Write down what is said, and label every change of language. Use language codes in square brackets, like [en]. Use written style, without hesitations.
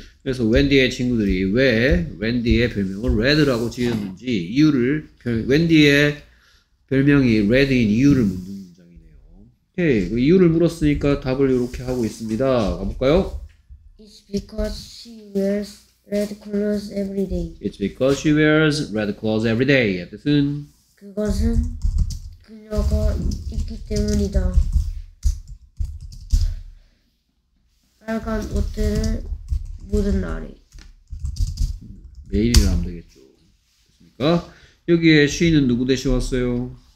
[ko] 그래서 웬디의 친구들이 왜 웬디의 별명을 레드라고 지었는지 이유를 웬디의 별명이 레드인 이유를 묻는 오케이, okay. 이유를 물었으니까 답을 이렇게 하고 있습니다. 가볼까요? [en] It's because she wears red clothes every day. It's because she wears red clothes every day. [ko] 뜻은? 그것은 그녀가 있기 때문이다. 빨간 옷들을 모든 날이. 매일이라 하면 되겠죠. 됐습니까? 여기에 she는 누구 대신 왔어요?